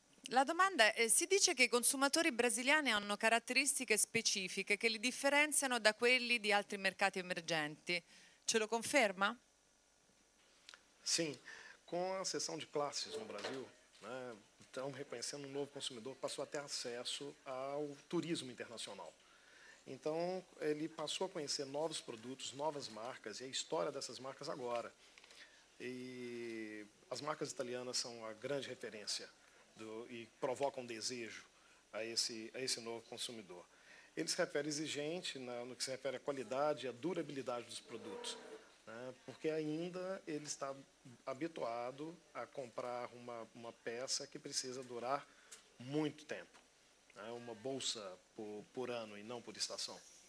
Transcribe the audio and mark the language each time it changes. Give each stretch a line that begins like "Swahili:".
Italian: La domanda è, si dice che i consumatori brasiliani hanno caratteristiche specifiche che li differenziano da quelli di altri mercati emergenti. Ce lo conferma? Sì, con la sessione di classi in Brasil, stiamo riconoscendo un nuovo consumatore, passò a
Portuguese: ter acesso
Italian: al turismo internazionale.
Portuguese: Então, ele passou a conhecer novos produtos, novas marcas e a história dessas marcas agora. E as marcas italianas são a grande referência e provocam desejo a esse novo consumidor. Ele se refere exigente no que se refere à qualidade e à durabilidade dos produtos, né? Porque ainda ele está habituado a comprar uma peça que precisa durar muito tempo.
Italian: È una borsa per anno e non per stagione.